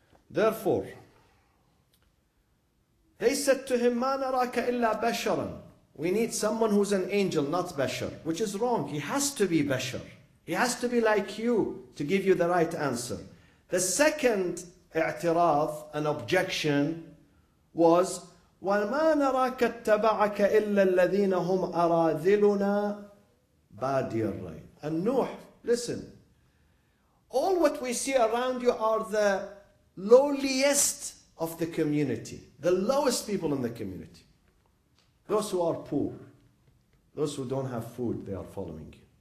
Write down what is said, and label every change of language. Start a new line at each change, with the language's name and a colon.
English: Therefore, they said to him,
Arabic: مَا نَرَاكَ إِلَّا بَشَرًا.
English: We need someone who's an angel, not Bashar, which is wrong. He has to be Bashar. He has to be like you to give you the right answer. The second i'tiraf, an objection, was,
Arabic: وَمَا نَرَاكَ اتَّبَعَكَ إِلَّا الَّذِينَ هُمْ أَرَاذِلُنَا بَادِيَ الرَّيْنِ.
English: And Nuh, listen, all what we see around you are the lowliest of the community, the lowest people in the community. Those who are poor, those who don't have food, they are following you.